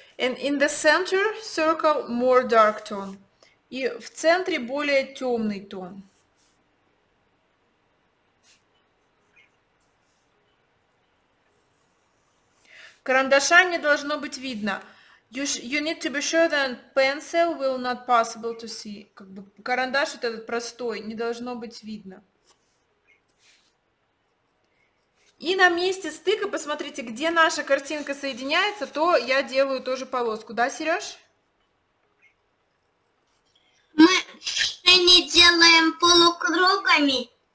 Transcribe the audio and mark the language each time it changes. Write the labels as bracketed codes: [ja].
[en] And in the center circle more dark tone. [ru] И в центре более темный тон. Карандаша не должно быть видно. [en] You need to be sure that pencil will not possible to see. [ru] Как бы карандаш этот простой, не должно быть видно. И на месте стыка, посмотрите, где наша картинка соединяется, то я делаю тоже полоску. Да, Сереж? Мы не делаем полукругами.